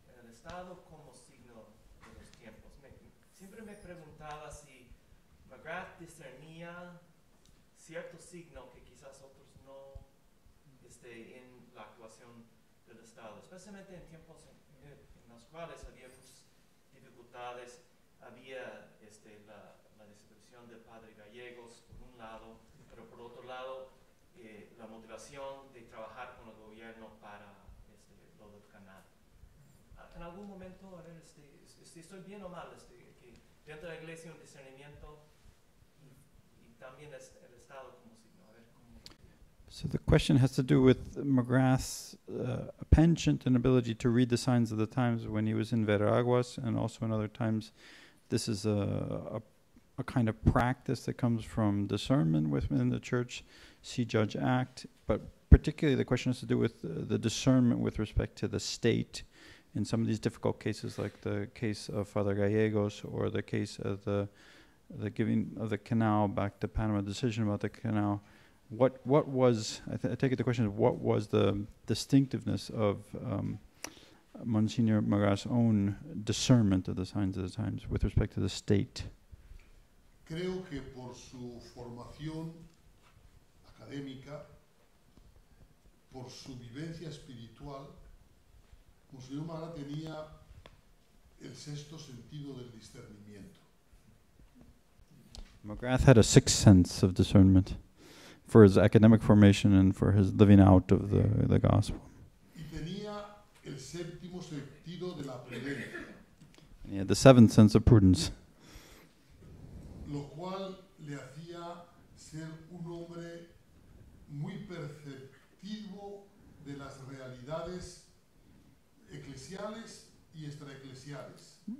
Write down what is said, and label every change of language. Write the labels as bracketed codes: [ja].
[es] Estado como signo de los tiempos. Siempre me preguntaba si McGrath discernía cierto signo que quizás otros no esté en la actuación del Estado, especialmente en tiempos en los cuales había dificultades, había la destitución del padre Gallegos, por un lado, pero por otro lado, la motivación de trabajar con el gobierno para lo del canal. En algún momento, a ver, si estoy bien o mal, que dentro de la iglesia un discernimiento y también el Estado como signo. A ver, ¿cómo? [en] So the question has to do with McGrath's penchant and ability to read the signs of the times when he was in Veraguas and also in other times. This is a kind of practice that comes from discernment within the church, see, judge, act. But particularly the question has to do with the discernment with respect to the state in some of these difficult cases, like the case of Father Gallegos or the case of the giving of the canal back to Panama, decision about the canal. What was, I take it the question is, what was the distinctiveness of Monsignor McGrath's own discernment of the signs of the times with respect to the state? [es] Creo que por su formación académica, por su vivencia espiritual, Monsignor McGrath tenía el sexto sentido del discernimiento. [en] McGrath had a sixth sense of discernment for his academic formation and for his living out of the gospel. [es] Y tenía el séptimo sentido de la prudencia. [en] And he had the seventh sense of prudence. [es] Lo cual le hacía ser un hombre muy perceptivo de las realidades eclesiales y extraeclesiales.